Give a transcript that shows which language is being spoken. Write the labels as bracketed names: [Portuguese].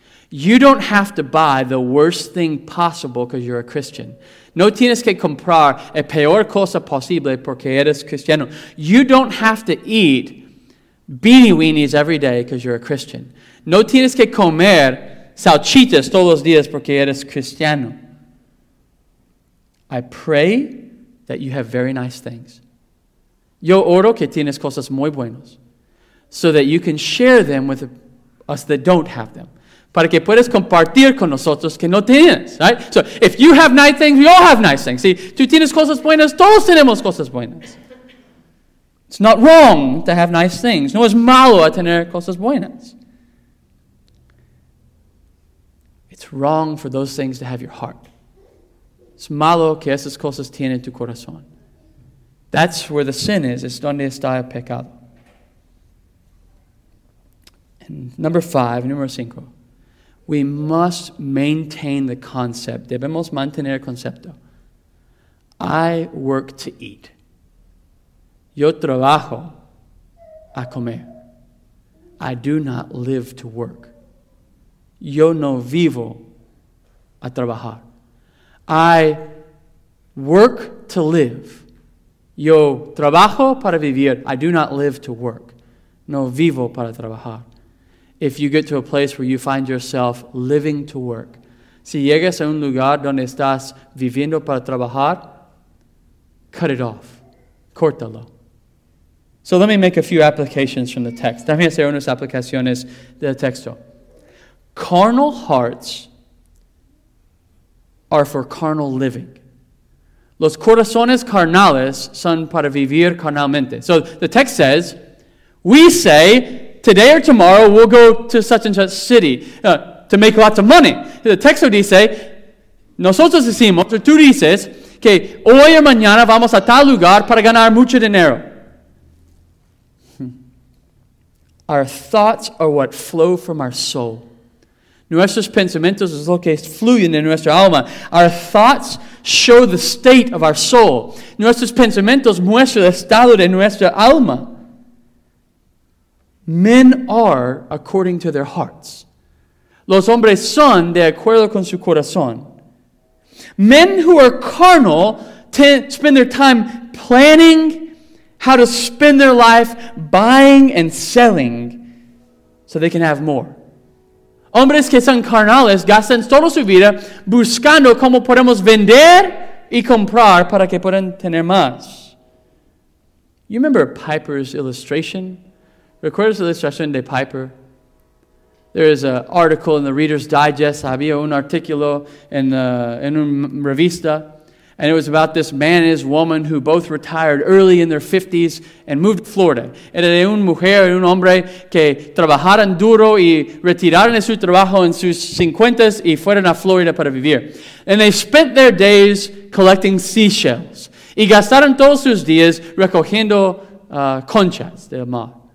[English] You don't have to buy the worst thing possible because you're a Christian. [Spanish] No tienes que comprar la peor cosa posible porque eres cristiano. [English] You don't have to eat beanie weenies every day because you're a Christian. [Spanish] No tienes que comer salchichas todos los días porque eres cristiano. [English] I pray that you have very nice things. [Spanish] Yo oro que tienes cosas muy buenas, [English] so that you can share them with us that don't have them. [Spanish] Para que puedas compartir con nosotros que no tienes, right? [English] So if you have nice things, we all have nice things. [Spanish] Si tú tienes cosas buenas, [English] todos tenemos cosas buenas. It's not wrong to have nice things. [Spanish] No es malo a tener cosas buenas. [English] It's wrong for those things to have your heart. [Spanish] Es malo que esas cosas tienen tu corazón. [English] That's where the sin is. [Spanish] Es donde está el pecado. And número cinco. [English] We must maintain the concept. [Spanish] Debemos mantener el concepto. [English] I work to eat. [Spanish] Yo trabajo a comer. [English] I do not live to work. [Spanish] Yo no vivo a trabajar. [English] I work to live. [Spanish] Yo trabajo para vivir. [English] I do not live to work. [Spanish] No vivo para trabajar. [English] If you get to a place where you find yourself living to work, [Spanish] si llegas a un lugar donde estás viviendo para trabajar, [English] cut it off. [Spanish] Córtalo. [English] So let me make a few applications from the text. [Spanish] Déjame hacer unas aplicaciones del texto. [English] Carnal hearts are for carnal living. [Spanish] Los corazones carnales son para vivir carnalmente. [English] So the text says, we say, today or tomorrow we'll go to such and such city to make lots of money. [Spanish] The texto dice, nosotros decimos, tú dices, que hoy o mañana vamos a tal lugar para ganar mucho dinero. [English] Our thoughts are what flow from our soul. [Spanish] Nuestros pensamientos es lo que fluyen en nuestra alma. [English] Our thoughts show the state of our soul. [Spanish] Nuestros pensamientos muestran el estado de nuestra alma. [English] Men are according to their hearts. [Spanish] Los hombres son de acuerdo con su corazón. [English] Men who are carnal spend their time planning how to spend their life buying and selling so they can have more. [Spanish] Hombres que son carnales gastan toda su vida buscando cómo podemos vender y comprar para que puedan tener más. [English] You remember Piper's illustration? [Spanish] ¿Recuerdas la ilustración de Piper? [English] There is an article in the Reader's Digest. [Spanish] Había un artículo en una revista. [English] And it was about this man and his woman who both retired early in their 50s and moved to Florida. [Spanish] Era de un mujer y un hombre que trabajaran duro y retiraron de su trabajo en sus 50s y fueron a Florida para vivir. [English] And they spent their days collecting seashells. [Spanish] Y gastaron todos sus días recogiendo conchas del mar.